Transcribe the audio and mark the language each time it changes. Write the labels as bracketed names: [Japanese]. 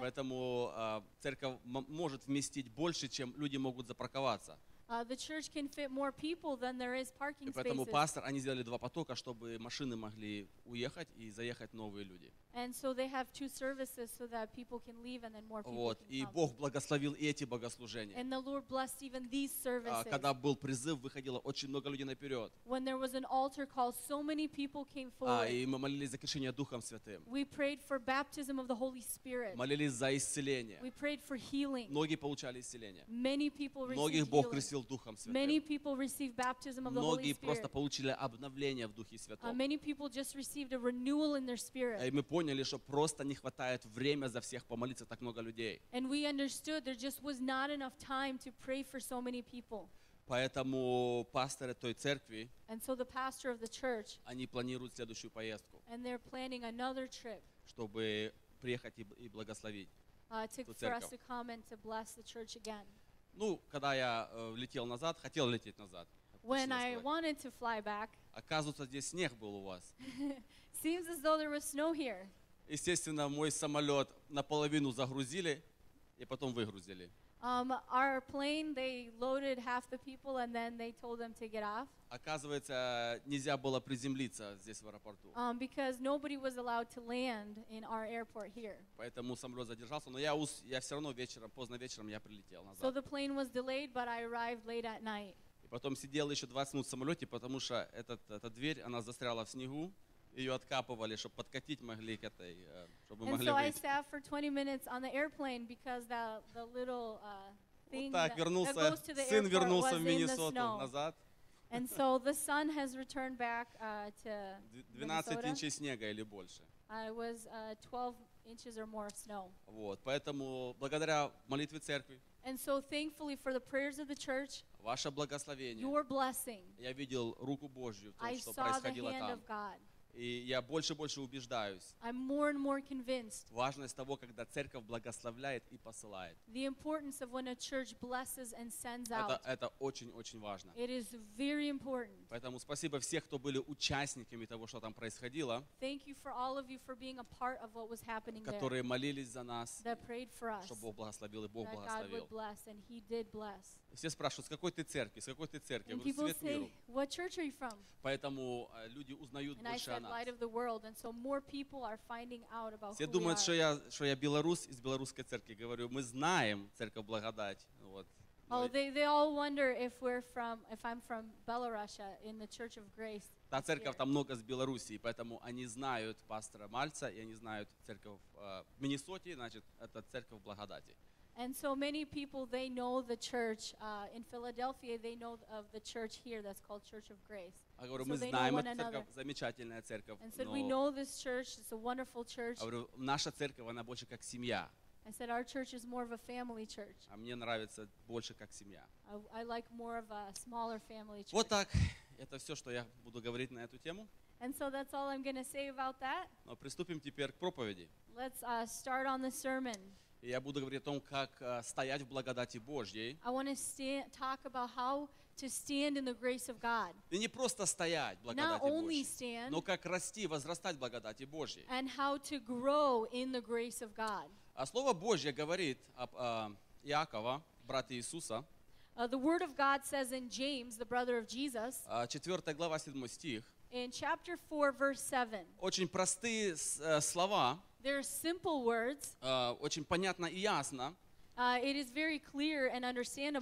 [Russian] Поэтому церковь может вместить больше, чем люди могут запарковаться. [English] The church can fit more people than there is parking spaces. [Russian] И поэтому пастор, они сделали два потока, чтобы машины могли уехать и заехать новые люди. [English] And so they have two services so that people can leave and then more people [Russian] вот, [English] can [Russian] и [English] come. [Russian] Бог благословил и эти богослужения. [English] And the Lord blessed even these services. [Russian] Когда был призыв, выходило очень много людей наперед. [English] When there was an altar call, so many people came forward. [Russian] И мы молились за крещение Духом Святым. [English] We prayed for baptism of the Holy Spirit. [Russian] Молились за исцеление. [English] We prayed for healing. [Russian] Многие получали исцеление. [English] Many people received [Russian] многих [English] healing. [Russian] Бог крестил Духом Святым. [English] Many people received baptism of the [Russian] многие [English] Holy Spirit. [Russian] Многие просто получили обновление в Духе Святом. [English] Many people just received a renewal in their spirit. [Russian] Поняли, что просто не хватает времени за всех помолиться так много людей. [English] And we understood there just was not enough time to pray for so many people. [Russian] Поэтому пасторы той церкви, [English] and so the pastor of the church, [Russian] они планируют следующую поездку, [English] and they're planning another trip, [Russian] чтобы приехать и благословить ту церковь. [English] For us to come and to bless the church again. [Russian] Ну, когда я летел назад, хотел лететь назад. [English] When I wanted to fly back. [Russian] Оказывается, здесь снег был у вас. [English] Seems as though there was snow here. [Russian] Естественно, мой самолет наполовину загрузили и потом выгрузили. [English] Our plane, they loaded half the people and then they told them to get off. [Russian] Оказывается, нельзя было приземлиться здесь в аэропорту. [English] Because nobody was allowed to land in our airport here. [Russian] Поэтому самолет задержался, но я все равно вечером, поздно вечером я прилетел назад. [English] So the plane was delayed, but I arrived late at night. [Russian] Потом сидел еще 20 минут в самолете, потому что эта дверь, она застряла в снегу. Ее откапывали, чтобы подкатить могли к этой, чтобы [English] and [Russian] могли [English] so [Russian] выйти. [English] And so I sat for 20 minutes on the airplane because the little thing [Russian] вот так, [English] that, [Russian] вернулся, [English] that goes to the airport [Russian] сын вернулся [English] was [Russian] в Миннесоту назад. [English] And so the sun has returned back to [Russian] 12 инчей снега или больше. [English] It was 12 inches or more of snow. [Russian] Вот, поэтому благодаря молитве церкви. [English] And so thankfully for the prayers of the church. [Russian] Ваше благословение. [English] Your blessing. [Russian] Я видел руку Божью в том, [English] I [Russian] что происходило там. [English] Of God. [Russian] И я больше и больше убеждаюсь. [English] I'm more and more convinced. [Russian] Важность того, когда церковь благословляет и посылает. [English] The importance of when a church blesses and sends out. [Russian] Это очень-очень важно. [English] It is very important. [Russian] Поэтому спасибо всем, кто были участниками того, что там происходило. [English] Thank you for all of you for being a part of what was happening there. [Russian] Которые молились за нас. [English] That prayed for us. [Russian] Чтобы Бог благословил и Бог благословил. [English] That God would bless and He did bless. [Russian] Все спрашивают, с какой ты церкви? [English] And people say, what church are you from? [Russian] Поэтому люди узнают больше. [English] Light of the world, and so more people are finding out about. [Russian] Все думают, что я белорус из белорусской церкви. Говорю, мы знаем церковь благодать. Вот. [English] Oh, they all wonder if I'm from Belarus in the Church of Grace. [Russian] Та церковь там много с Белоруссии, поэтому они знают пастора Мальца, и они знают церковь в Миннесоте, значит, это церковь благодати. [English] And so many people, they know the church in Philadelphia, they know of the church here that's called Church of Grace. [Russian] I говорю, мы знаем эту церковь, замечательная церковь. [English] And said, we know this church, it's a wonderful church. [Russian] Говорю, наша церковь, она больше как семья. [English] I said, our church is more of a family church. [Russian] А мне нравится больше как семья. [English] I like more of a smaller family church. [Russian] Вот так, это все, что я буду говорить на эту тему. [English] And so that's all I'm going to say about that. [Russian] Но приступим теперь к проповеди. [English] Let's start on the sermon. [Russian] Я буду говорить о том, как стоять в благодати Божьей. [English] I want to talk about how to stand in the grace of God. [Russian] И не просто стоять в благодати [English] Not [Russian] Божьей, [English] only stand, [Russian] но как расти, возрастать в благодати Божьей. [English] And how to grow in the grace of God. [Russian] А Слово Божье говорит об Иакова, брата Иисуса. [English] The word of God says in James, the brother of Jesus. [Russian] 4 глава, 7 стих. [English] In chapter 4, verse 7. [Russian] Очень простые слова. [English] They're simple words. [Russian] Очень понятно и ясно. [English] It is very clear and understandable.